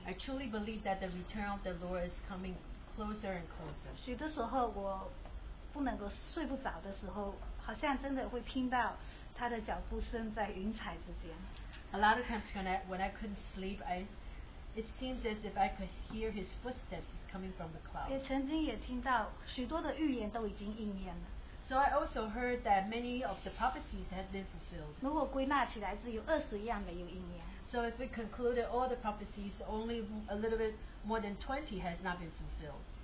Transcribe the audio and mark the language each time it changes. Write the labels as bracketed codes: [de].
[en] I truly believe that the return of the Lord is coming closer and closer. [zh] 许多时候我不能够睡不着的时候。好像真的会听到他的脚步声在云彩之间。 [en] A lot of times when I couldn't sleep, it seems as if I could hear his footsteps coming from the clouds. [zh] 也曾经也听到许多的预言都已经应验了。 [en] So I also heard that many of the prophecies had been fulfilled. [zh] 如果归纳起来只有20样没有应验。 [en] So if we concluded all the prophecies, only a little bit more than 20 has not been fulfilled.